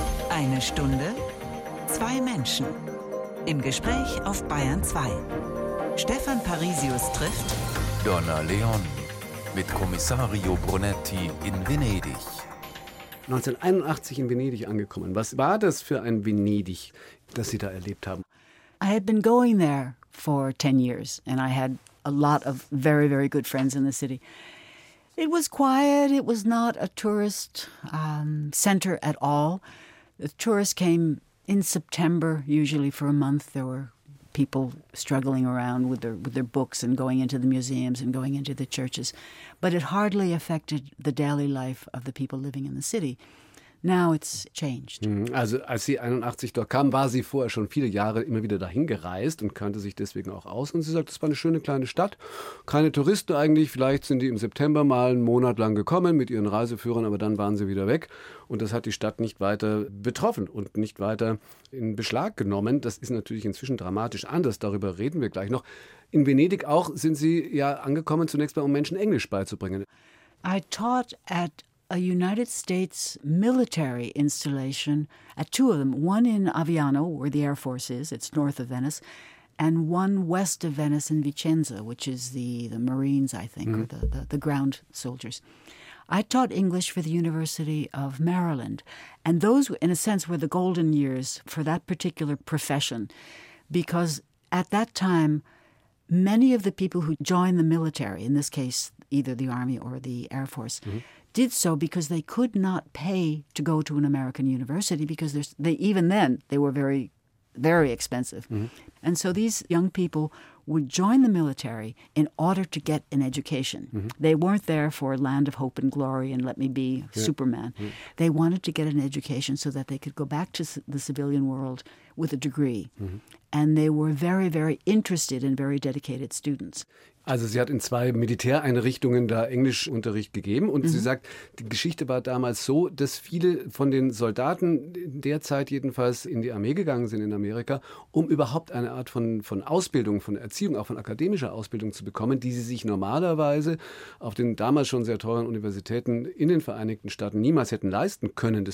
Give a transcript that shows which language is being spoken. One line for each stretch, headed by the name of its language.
German: Eine Stunde, 2 Menschen. Im Gespräch auf Bayern 2. Stefan Parisius trifft Donna Leon mit Kommissario Brunetti in Venedig. 1981 in Venedig angekommen. Was war das für ein Venedig, das Sie da erlebt haben?
English: I had been going there for 10 years, and I had a lot of very, very good friends in the city. It was quiet. It was not a tourist center at all. The tourists came in September, usually for a month. There were people struggling around with their books and going into the museums and going into the churches. But it hardly affected the daily life of the people living in the city. Now it's changed.
German: Also als sie 81 dort kam, war sie vorher schon viele Jahre immer wieder dahin gereist und kannte sich deswegen auch aus. Und sie sagt, es war eine schöne kleine Stadt, keine Touristen eigentlich. Vielleicht sind die im September mal einen Monat lang gekommen mit ihren Reiseführern, aber dann waren sie wieder weg. Und das hat die Stadt nicht weiter betroffen und nicht weiter in Beschlag genommen. Das ist natürlich inzwischen dramatisch anders. Darüber reden wir gleich noch. In Venedig auch sind sie ja angekommen, zunächst mal, um Menschen Englisch beizubringen.
English: I taught at a United States military installation at 2 of them, one in Aviano, where the Air Force is, it's north of Venice, and one west of Venice in Vicenza, which is the Marines, I think, or the ground soldiers. I taught English for the University of Maryland, and those, in a sense, were the golden years for that particular profession, because at that time, many of the people who joined the military, in this case, either the Army or the Air Force, did so because they could not pay to go to an American university because they were very, very expensive. Mm-hmm. And so these young people would join the military in order to get an education. Mm-hmm. They weren't there for a land of hope and glory and let me be Superman. Mm-hmm. They wanted to get an education so that they could go back to the civilian world with a degree. Mm-hmm. And they were very, very interested and very dedicated students.
German: Also sie hat in zwei Militäreinrichtungen da Englischunterricht gegeben und sie sagt, die Geschichte war damals so, dass viele von den Soldaten derzeit jedenfalls in die Armee gegangen sind in Amerika, um überhaupt eine Art von Ausbildung, von Erziehung, auch von akademischer Ausbildung zu bekommen, die sie sich normalerweise auf den damals schon sehr teuren Universitäten in den Vereinigten Staaten niemals hätten leisten können.